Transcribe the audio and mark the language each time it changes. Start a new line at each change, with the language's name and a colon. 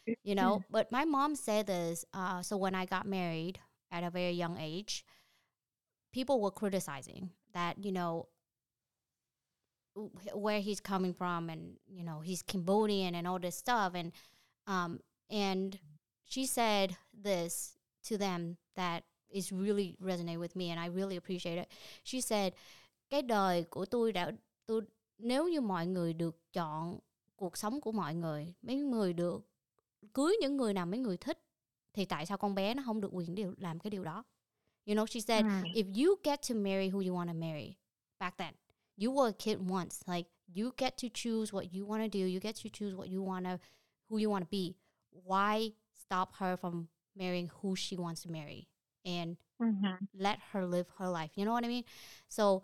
English: You know, but my mom said this. So when I got married at a very young age, people were criticizing that, where he's coming from and, he's Cambodian and all this stuff. And she said this to them that is really resonated with me and I really appreciate it. She said,
Vietnamese: cái đời của tôi đã, tôi, nếu như mọi người được chọn cuộc sống của mọi người, mấy người được cưới những người nào mấy người thích thì tại sao con bé nó không được quyền điều làm cái điều đó.
English: You know, she said, right. if you get to marry who you want to marry back then, you were a kid once, like you get to choose what you want to do, you get to choose what you want to, who you want to be. Why stop her from marrying who she wants to marry and mm-hmm. let her live her life? You know what I mean? So,